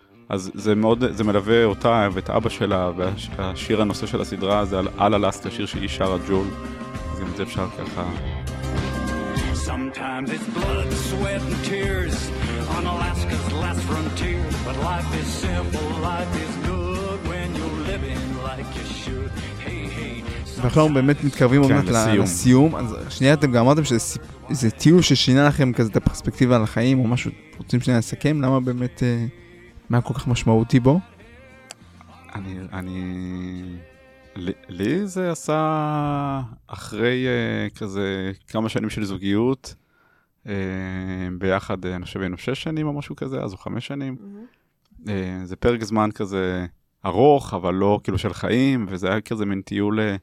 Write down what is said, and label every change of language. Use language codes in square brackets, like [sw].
[he] אז זה מאוד, זה מלווה אותה ואת אבא שלה, והשיר הנושא של הסדרה זה על אלסקה, שיר שהיא שרה ג'ול, אז גם את זה אפשר ככה. [en] Sometimes it's blood, sweat and tears on Alaska's last frontier, but life is simple, life is good when you're living like you should. [he] ואנחנו באמת מתקרבים עומת לסיום, אז שנייה אתם גם אמרתם שזה טיול ששינה לכם כזה את הפרספקטיבה על החיים או משהו, רוצים שנייה לסכם, למה באמת, מה כל כך משמעותי בו? אני, לי זה עשה אחרי כזה כמה שנים של זוגיות, ביחד אני חושב היינו 6 שנים או משהו כזה, אז או 5 שנים, זה פרק זמן כזה ארוך, אבל לא כאילו של חיים, וזה היה כזה מין טיול,